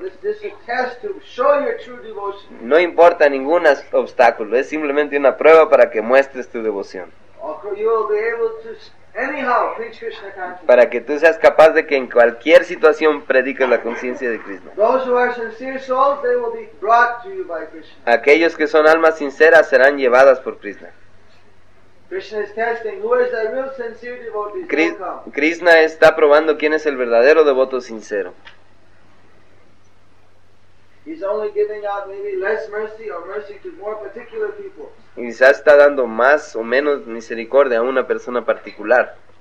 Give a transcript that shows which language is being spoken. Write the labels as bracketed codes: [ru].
[en] This is a test to show your true devotion. [es] No importa ningún obstáculo. Es simplemente una prueba para que muestres tu devoción. [en] You will be able to anyhow preach Krishna consciousness. [es] Para que tú seas capaz de que en cualquier situación prediques la conciencia de Krishna. [en] Those who are sincere souls, they will be brought to you by Krishna. [es] Aquellos que son almas sinceras serán llevadas por Krishna. [en] Krishna is testing who is the real sincere devotee. [es] Krishna está probando quién es el verdadero devoto sincero. [en] He's only giving out maybe less mercy or mercy to more particular people. [es] Y quizás está dando más o menos misericordia a una persona particular.